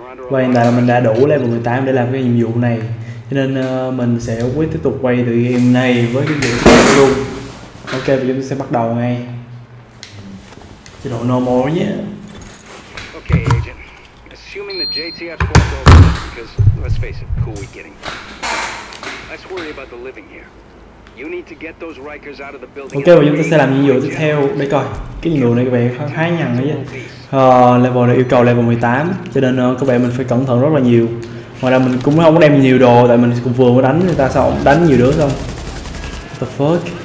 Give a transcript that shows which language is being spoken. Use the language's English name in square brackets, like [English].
[Vietnamese] Và hiện tại là mình đã đủ level 18 để làm cái nhiệm vụ này. Cho nên mình sẽ quyết tiếp tục quay từ game này với cái nhiệm vụ luôn. Ok, bây giờ mình sẽ bắt đầu ngay. Chế độ normal nhé. Ok, agent. [English] Assuming the JTF won't go because, let's face it, who are we kidding? Let's worry about the living here. You need to get those Rikers out of the building. [Vietnamese] Ok, và chúng ta sẽ làm nhiệm vụ tiếp theo. Để coi, cái nhiệm vụ này các bạn khá nhằn đấy chứ. Level này yêu cầu level 18, cho nên các bạn mình phải cẩn thận rất là nhiều. Ngoài ra mình cũng không có đem nhiều đồ, tại mình cũng vừa mới đánh người ta xong, đánh nhiều đứa xong. [English] What the fuck?